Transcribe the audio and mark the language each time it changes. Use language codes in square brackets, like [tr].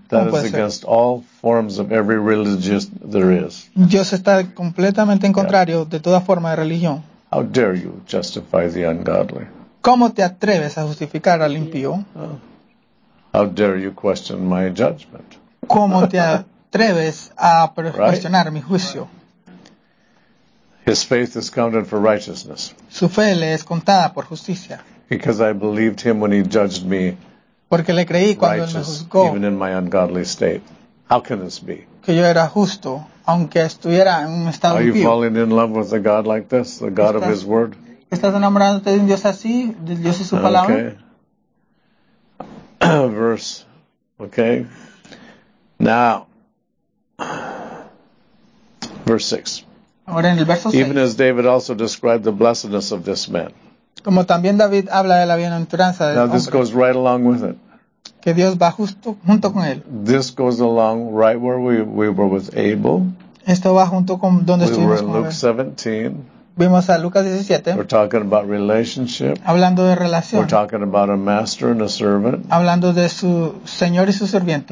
[en] That is against all forms of every religion there is. [es] Dios está completamente en contrario de toda forma de religión. [en] How dare you justify the ungodly? [es] ¿Cómo te atreves a justificar al impío? [en] How dare you question my judgment? [es] ¿Cómo te atreves a cuestionar mi juicio? [en] His faith is counted for righteousness. [es] Su fe le es contada por justicia. [en] Because I believed him when he judged me. [es] Porque le creí cuando él me juzgó. [en] Even in my ungodly state. How can this be? [es] Que yo era justo, aunque estuviera en un estado impío. [en] Are you falling in love with a God like this, the God of His Word? [es] ¿Estás enamorándote de un Dios así, de Dios y su palabra? [en] Okay. Okay. Now, verse 6. [es] Ahora en el verso 6. [en] Even as David also described the blessedness of this man. [es] Como también David habla de la bienaventuranza del hombre. [en] Now this goes right along with it. [es] Que Dios va justo junto con él. [en] This goes along right where we were with Abel. [es] Esto va junto con donde [en] we [es] estuvimos [en] were in [es] con [en] Luke [es] él. 17. Vimos a Lucas 17. [en] We're talking about relationship. [es] Hablando de relación. [en] We're talking about a master and a servant. [es] Hablando de su señor y su sirviente.